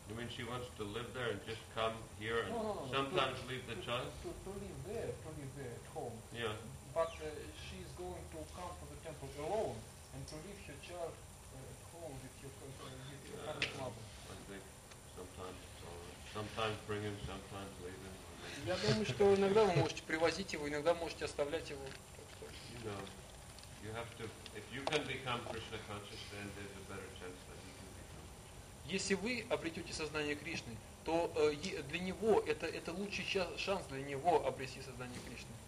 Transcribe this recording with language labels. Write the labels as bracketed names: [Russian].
[English] She wants to live there and just come here and sometimes leave the child? To live there at home. Yeah. But she's going to come to the temple alone and to leave her child at home with your kind of mother. I think sometimes it's all right. Sometimes bring him, sometimes leave him. [Russian] Я думаю, что иногда вы можете привозить его, иногда можете оставлять его. [English] You know, you have to, if you can become Krishna conscious, then there's a better chance that you can become Krishna conscious. [Russian] Если вы обретете сознание Кришны, то для него это лучший шанс для него обрести сознание Кришны.